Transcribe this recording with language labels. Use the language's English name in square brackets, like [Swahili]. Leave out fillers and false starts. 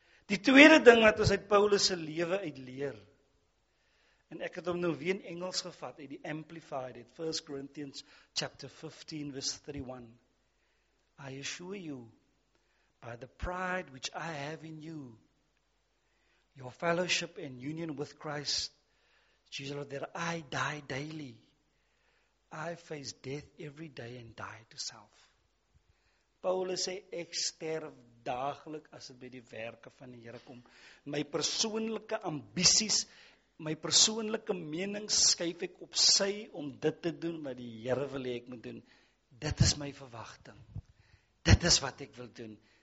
[Afrikaans] Die tweede ding wat ons uit Paulus se lewe uit leer, en ek het hom nou weer in Engels gevat uit die Amplified, uit 1 Corinthians chapter 15 verse 31. [English] I assure you, by the pride which I have in you, your fellowship and union with Christ, Jesus, that I die daily. I face death every day and die to self. [Afrikaans] Paulus sê, ek sterf daaglik as het by die werke van die Here kom. My persoonlike ambities, my persoonlike mening skuif ek op sy om dit te doen wat die Here wil hê ek moet doen. Dit is my verwagting. Dit is wat ek wil doen.